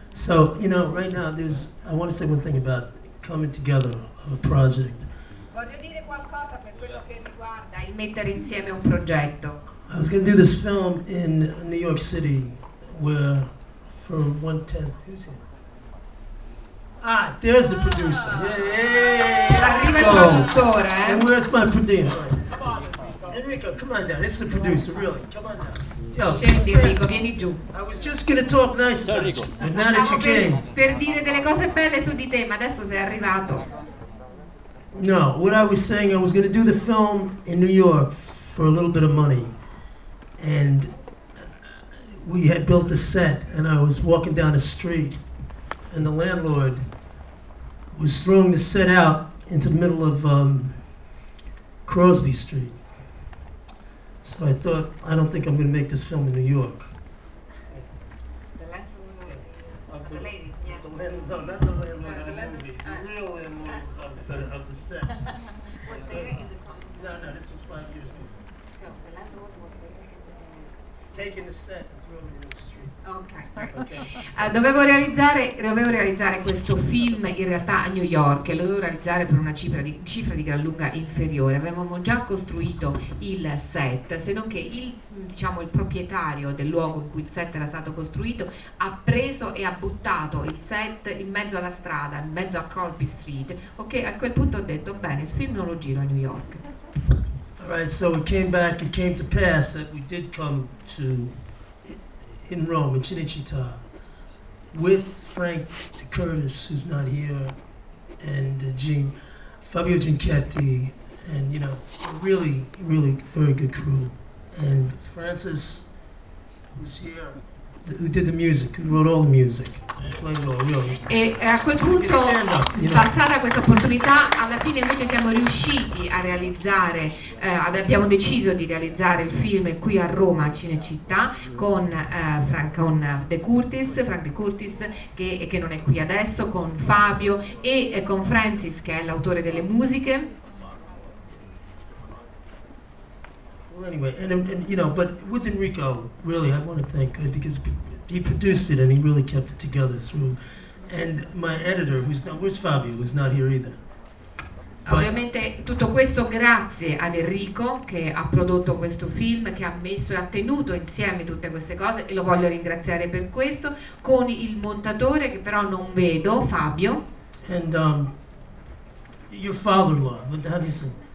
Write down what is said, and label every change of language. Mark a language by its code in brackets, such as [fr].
[en] So, you know, right now there's, I want to say one thing about coming together of a project. [it] Voglio dire qualcosa per quello che riguarda il mettere insieme un progetto. [en] I was going to do this film in New York City where for 1/10, who's here? Ah, there's the producer. [it] Arriva il produttore, eh? [en] And where's my producer? Enrico, come on down. This is the producer, really. Come on down. [it] Scendi, Enrico, vieni giù. [en] I was just gonna talk nice about you, but now that you came. [it] Per dire delle cose belle su di te, ma adesso sei arrivato. [en] No, what I was saying, I was gonna do the film in New York for a little bit of money, and we had built the set, and I was walking down the street, and the landlord was throwing the set out into the middle of Crosby Street. So I thought, I don't think I'm going to make this film in New York. The landlord was the lady, yeah. The landlord, not the landlord, the movie. The real landlord of the set. Was there in the crime? No, no, this was 5 years before. So the landlord was there in the... Taking the set and throwing it in the street. Okay. [it] Dovevo realizzare questo film in realtà a New York e lo dovevo realizzare per una cifra di gran lunga inferiore. Avevamo già costruito il set, se non che il proprietario del luogo in cui il set era stato costruito ha preso e ha buttato il set in mezzo alla strada, in mezzo a Crosby Street. Ok, a quel punto ho detto bene, il film non lo giro a New York. [en] All right, so we came back, it came to pass that we did come to in Rome, in Cinecittà, with Frank De Curtis, who's not here, and Fabio Ginchetti, and you know, a really, really very good crew. And Francis, who's here, who did the music, who wrote all the music. [it] E a quel punto, passata questa opportunità, alla fine invece siamo riusciti a realizzare, abbiamo deciso di realizzare il film qui a Roma, a Cinecittà, con Frank De Curtis che non è qui adesso, con Fabio e con Francis che è l'autore delle musiche. [en] Well, anyway, but with Enrico, really, I want to thank God because he produced it and he really kept it together through. And my editor, where's Fabio, who's not here either. [it] Ovviamente tutto questo grazie ad Enrico che ha prodotto questo film, che ha messo e ha tenuto insieme tutte queste cose e lo voglio ringraziare per questo, con il montatore che però non vedo, Fabio. [en] And your father-in-law, how do you say?